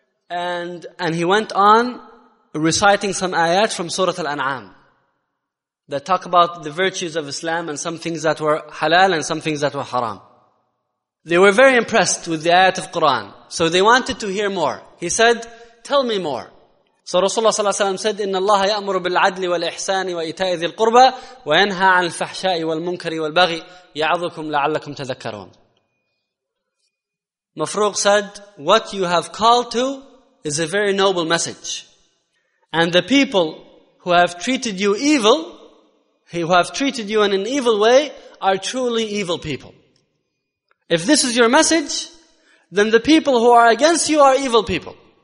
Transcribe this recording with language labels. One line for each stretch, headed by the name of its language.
English: And he went on reciting some ayat from Surah Al-An'am that talk about the virtues of Islam and some things that were halal and some things that were haram. They were very impressed with the ayat of Quran. So they wanted to hear more. He said, tell me more.
Arabic: So Rasulullah sallallahu alayhi wa sallam said, إِنَّ اللَّهَ يَأْمُرُ بِالْعَدْلِ وَالْإِحْسَانِ وَإِتَاءِ ذِي الْقُرْبَى وَيَنْهَى عَنِ الْفَحْشَاءِ وَالْمُنْكَرِ وَالْبَغِي يَعَظُكُمْ لَعَلَّكُمْ تَذَكَّرُونَ.
English: Mafruq said, what you have called to is a very noble message. And the people who have treated you evil, who have treated you in an evil way, are truly evil people. If this is your message, then the people who are against you are evil people.